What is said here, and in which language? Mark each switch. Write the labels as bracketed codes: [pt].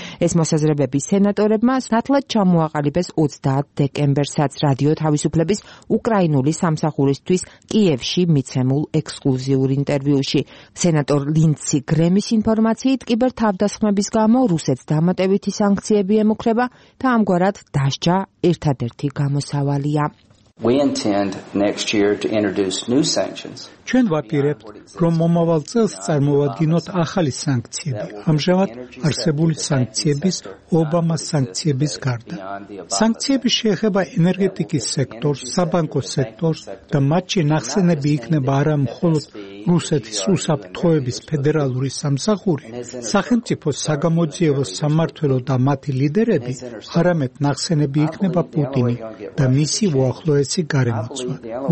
[ka] ეს მოსაზრებები სენატორებმა სათლად ჩამოაყალიბეს 30 დეკემბერსაც რადიო თავისუფლების უკრაინული სამსახურის ის კიევში მიცემულ ექსკლუზიურ ინტერვიუში. სენატორ ლინცი გრემის ინფორმაციით, კიბერთავდასხმების გამო რუსეთს დამატებითი სანქციები ემუქრება და ამგვარად დასჯა ერთადერთი გამოსავალია. [en] We intend next year to introduce new sanctions. [ka] ჩვენ ვაპირებთ, რომ მომავალ წელს წარმოვადგინოთ ახალი სანქციები. ამჟამად არსებული სანქციების, ობამას სანქციების გარდა. სანქციები შეეხება ენერგეტიკის სექტორს, საბანკო სექტორს და მათში ნახსენები იქნება არა მხოლოდ რუსეთის უსაფრთხოების ფედერალური სამსახური, სახელმწიფო საგამოძიებო სამმართველო და მათი ლიდერები, არამედ ნახსენები იქნება პუტინი და მისი უახლოესი გარემოცვა.